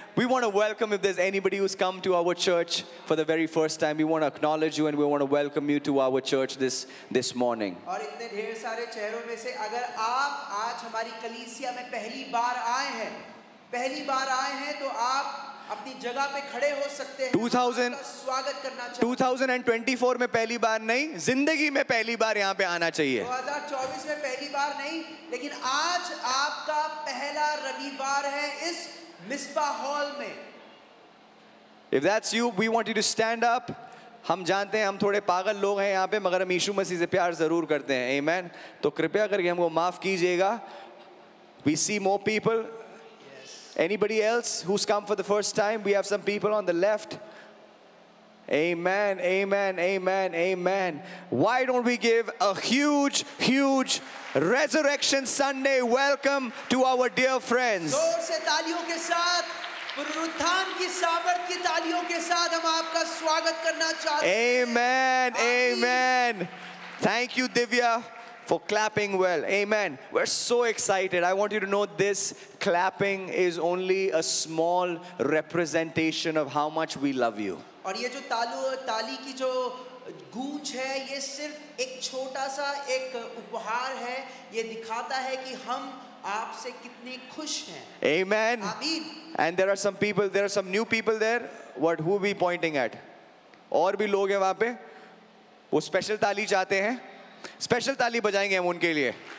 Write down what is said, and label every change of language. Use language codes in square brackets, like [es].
[en] We want to welcome, if there's anybody who's come to our church for the very first time, we want to acknowledge you and we want to welcome you to our church this morning. [hi] और इतने ढेर सारे चेहरों में से अगर आप आज हमारी कलीसिया में पहली बार आए हैं तो आप अपनी जगह पे खड़े हो सकते हैं. 2024 में पहली बार नहीं, जिंदगी में पहली बार यहाँ पे आना चाहिए. 2024 में पहली बार नहीं, लेकिन आज आपका पहला रविवार है इस मिस्बा हॉल में. [en] If that's you, we want you to stand up. [hi] हम जानते हैं हम थोड़े पागल लोग हैं यहाँ पे, मगर हम यीशु मसीह से प्यार जरूर करते हैं. Amen. तो कृपया करके हमको माफ कीजिएगा. [en] We see more people. Anybody else who's come for the first time? We have some people on the left. Amen, amen, amen, amen. Why don't we give a huge, huge Resurrection Sunday welcome to our dear friends? [hi] जोर से तालियों के साथ, पुनरुत्थान की सामर्थ की तालियों के साथ हम आपका स्वागत करना चाहते हैं. [en] Amen, amen. Thank you, Divya, for clapping well. Amen. We're so excited. I want you to know this clapping is only a small representation of how much we love you. [hi] और ये जो ताली की जो गूंज है, ये सिर्फ एक छोटा सा एक उपहार है. ये दिखाता है कि हम आपसे कितने खुश हैं. [en] Amen. Amen. And there are some people, there are some new people there. What, who are we pointing at? [hi] और भी लोग हैं वहाँ पे. वो special ताली चाहते हैं. स्पेशल ताली बजाएंगे हम उनके लिए.